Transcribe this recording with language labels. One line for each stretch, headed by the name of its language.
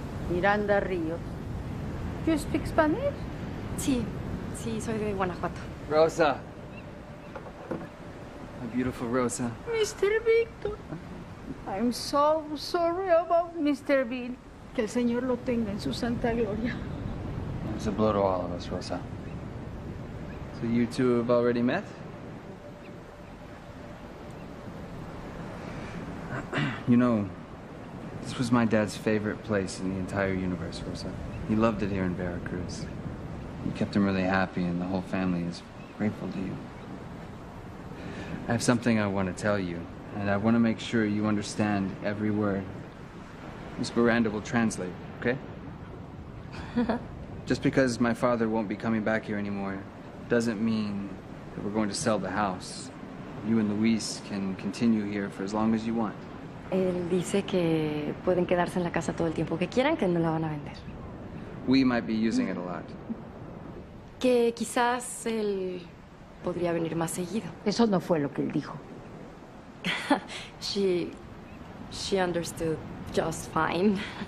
English: Miranda Ríos. You speak Spanish?
Spanish: Sí, soy de Guanajuato.
English: Rosa. My beautiful Rosa. Mr. Victor. I'm so sorry about Mr. Bill.
Spanish: Que el Señor lo tenga en su santa gloria.
English: It's a blow to all of us, Rosa. So you two have already met? You know, this was my dad's favorite place in the entire universe, Rosa. He loved it here in Veracruz. You kept him really happy, and the whole family is grateful to you. I have something I want to tell you, and I want to make sure you understand every word. Miss Miranda will translate, okay? Just because my father won't be coming back here anymore doesn't mean that we're going to sell the house. You and Luis can continue here for as long as you want.
Spanish: Él dice que pueden quedarse en la casa todo el tiempo que quieran, que no la van a vender.
English: We might be using it a lot.
Spanish: Que quizás él podría venir más seguido. Eso no fue lo que él dijo.
English: She understood just fine.